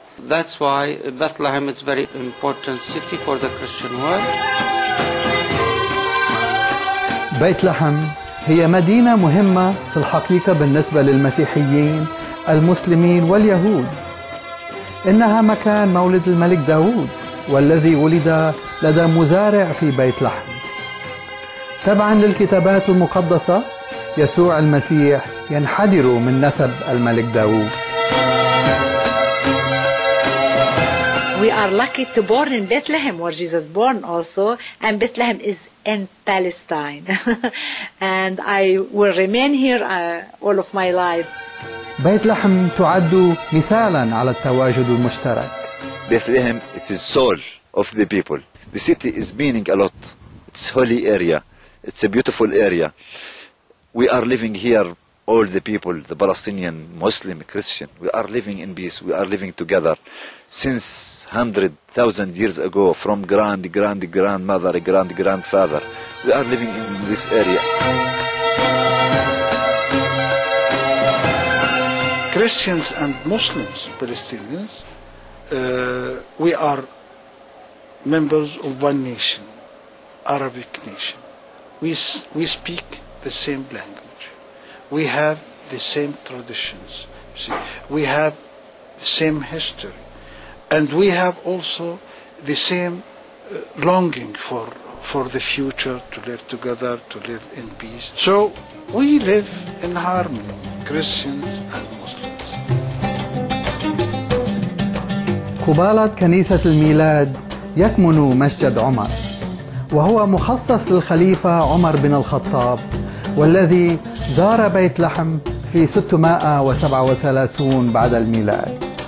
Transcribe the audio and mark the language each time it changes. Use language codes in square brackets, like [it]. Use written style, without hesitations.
[en] That's why Bethlehem is a very important city for the Christian world. [ar] بيت لحم هي مدينة مهمة في الحقيقة بالنسبة للمسيحيين المسلمين واليهود. إنها مكان مولد الملك داود، والذي ولد لدى مزارع في بيت لحم. تبعا للكتابات المقدسة، يسوع المسيح ينحدر من نسب الملك داود. [en] We are lucky to born in Bethlehem, where Jesus born also, and Bethlehem is in Palestine. And I will remain here all of my life. [ar] Bethlehem تعد مثالا على التواجد المشترك. [en] Bethlehem, it is soul of the people. The city is meaning a lot. It's holy area. It's a beautiful area. We are living here, all the people, the Palestinian, Muslim, Christian. We are living in peace. We are living together. Since 100,000 years ago, from grandmother, grandfather, we are living in this area. Christians and Muslims, Palestinians, we are members of one nation, Arabic nation. We speak the same language. We have the same traditions. See, we have the same history. And we have also the same longing for the future, to live together, to live in peace. So we live in harmony, Christians and Muslims. [ar] قبالة كنيسة الميلاد يكمن مسجد عمر، وهو مخصص للخليفة عمر بن الخطاب، والذي زار بيت لحم في 637 بعد الميلاد.